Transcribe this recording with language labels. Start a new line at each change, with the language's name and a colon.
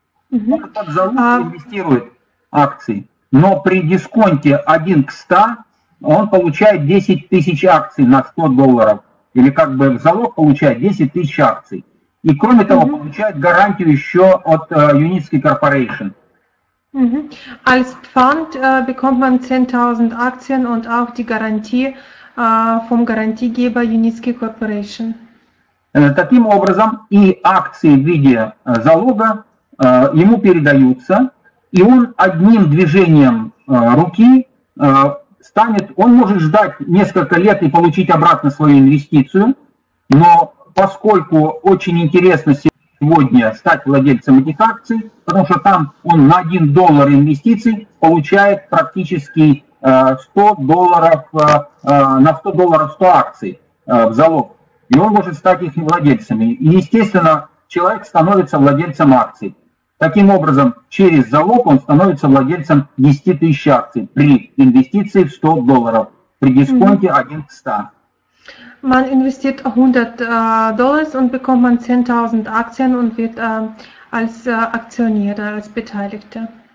Russian: Вот этот залог инвестирует акции. Но при дисконте 1 к 100 он получает 10 тысяч акций на $100. Или как бы в залог получает 10 тысяч акций. И кроме того, получает гарантию еще от Unitsky Corporation.
German: Als Pfand bekommt man 10.000 Aktien und auch die Garantie vom Garantiegeber Unitsky Corporation.
Russian: Таким образом, и акции в виде залога ему передаются, и он одним движением руки станет, он может ждать несколько лет и получить обратно свою инвестицию, но поскольку очень интересно сегодня стать владельцем этих акций, потому что там он на $1 инвестиций получает практически $100 акций в залог. И он может стать их владельцами. И, естественно, человек становится владельцем акций. Таким образом, через залог он становится владельцем 10 тысяч акций при инвестиции в $100, при дисконте 1 к 100.
German: Man investiert $100 und bekommt man 10.000 Aktien und wird als Aktionär, als Beteiligter.